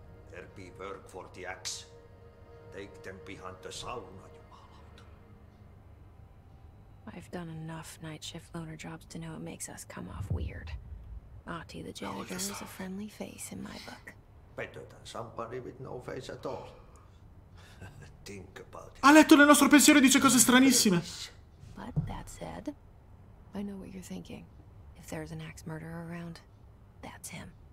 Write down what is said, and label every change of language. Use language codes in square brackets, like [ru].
[en] There'll be work for the axe. Take them behind the sauna. I've done enough night shift loner jobs to know it makes us come off weird. Ahti the janitor is a friendly face in my book. Better than somebody with no face at all. Think about it. [it] Ha letto nel nostro pensiero e dice cose stranissime. [en] But that said, I know what you're thinking. If there's an axe murderer around, that's him.